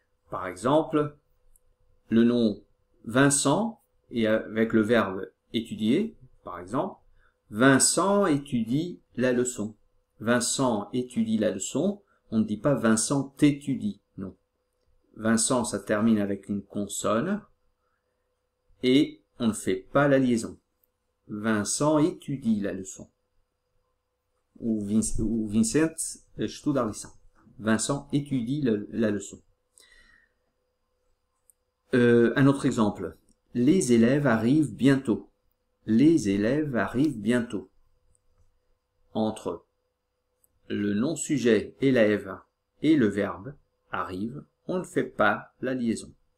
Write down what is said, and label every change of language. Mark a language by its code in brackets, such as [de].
[fr] Par exemple, le nom Vincent et avec le verbe étudier, par exemple, Vincent étudie la leçon. Vincent étudie la leçon, on ne dit pas Vincent t'étudie, non. Vincent, ça termine avec une consonne et on ne fait pas la liaison. Vincent étudie la leçon. [pt] Ou Vincent studia a lição. [fr] Vincent étudie la leçon. Un autre exemple. Les élèves arrivent bientôt. Les élèves arrivent bientôt. Entre le nom sujet élève et le verbe arrive, on ne fait pas la liaison.